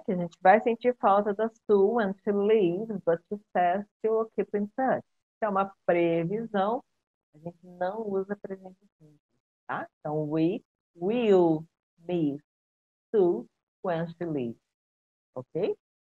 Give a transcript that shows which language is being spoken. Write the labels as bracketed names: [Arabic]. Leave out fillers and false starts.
[Portuguese] Que a gente vai sentir falta da Sue [English] when she leaves, but she says she will keep in touch. [Portuguese] É uma previsão, a gente não usa presente simples, tá? [English] Então, we will miss Sue when she leaves, ok?